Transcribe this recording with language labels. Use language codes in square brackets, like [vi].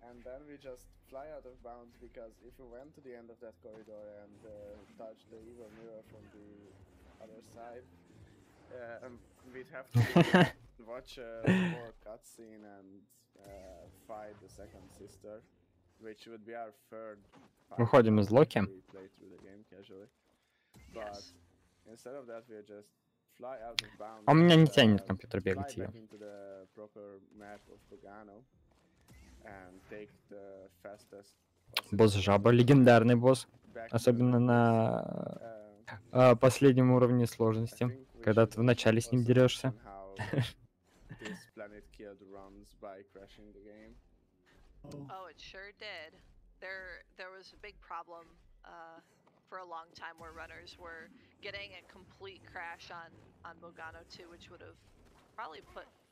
[en] And then we just fly out of bounds, because if we went to the end of that corridor and touched the evil mirror from the other side, we'd have to watch a more cutscene and fight the second sister, which would be our third fight if we play through the game casually. But yes. Instead of that, we're just fly out of bounds. [ru] У меня не тянет компьютер бегать ее. [en] Fly back into the proper map of Lugano. And take the fastest [ru] босс-жаба, легендарный босс, особенно на последнем уровне сложности, когда ты вначале с ним дерешься. [en] This planet killed runs by crashing the game. Oh, it sure did. There was a big problem for a long time where runners were getting a complete crash on Mugano 2, which would have probably put...